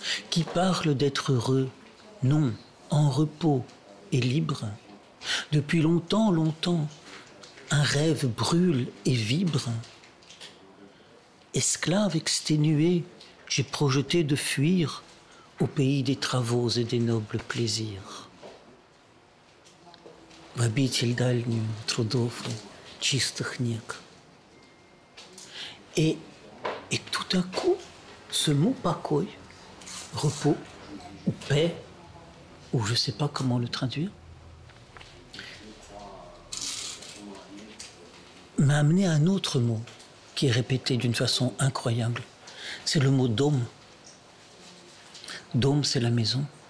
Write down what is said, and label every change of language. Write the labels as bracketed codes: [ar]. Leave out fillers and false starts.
[fr] Qui parle d'être heureux, non, en repos et libre. Depuis longtemps, longtemps, un rêve brûle et vibre. Esclave exténué, j'ai projeté de fuir au pays des travaux et des nobles plaisirs. [ru] В обитель дальнюю трудов и чистых нег. [fr] Et tout à coup, ce mot pakoy, repos, ou paix, ou je ne sais pas comment le traduire, m'a amené à un autre mot qui est répété d'une façon incroyable. C'est le mot dôme. Dôme, c'est la maison.